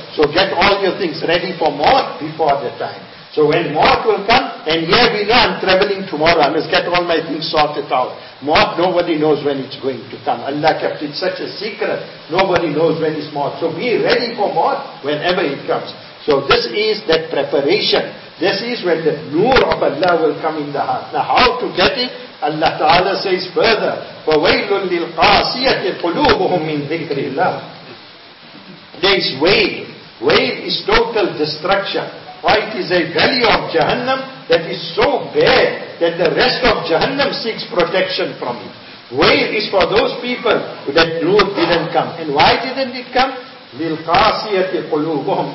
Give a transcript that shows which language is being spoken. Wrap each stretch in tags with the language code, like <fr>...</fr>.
<en>So get all your things ready for maut before the time. So when maut will come, and here we know I'm traveling tomorrow, I must get all my things sorted out. Maut, nobody knows when it's going to come. Allah kept it such a secret. Nobody knows when it's maut. So be ready for maut whenever it comes. So this is that preparation. This is when the nur of Allah will come in the heart. Now how to get it?</en> <ar>Allah Ta'ala says further, فَوَيْلٌ لِلْقَاسِيَةِ قُلُوبُهُمْ مِنْ ذِكْرِ اللَّهِ.</ar> <en>There is wail. Wail is total destruction. Why it is a valley of Jahannam that is so bare that the rest of Jahannam seeks protection from it. Wail is for those people that nur didn't come. And why didn't it come? لِلْقَاسِيَةِ قُلُوبُهُمْ.</en>